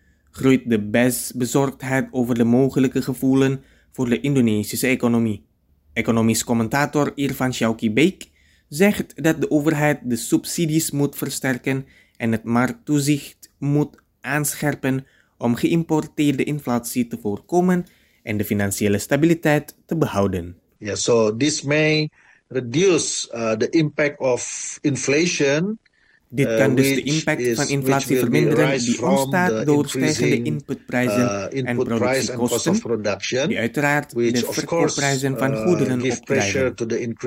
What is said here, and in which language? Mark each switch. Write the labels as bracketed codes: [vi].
[nl] Groeit de bezorgdheid over de mogelijke gevolgen voor de Indonesische economie. Economisch commentator Irfan Syawki Baik zegt dat de overheid de subsidies moet versterken en het markttoezicht moet aanscherpen om geïmporteerde inflatie te voorkomen en de financiële stabiliteit te behouden. [en] Yeah, so this may reduce the impact of inflation. [nl] Dit kan dus de impact van inflatie verminderen die ontstaat door stijgende inputprijzen en productiekosten, die uiteraard de verkoopprijzen van goederen opdrijven.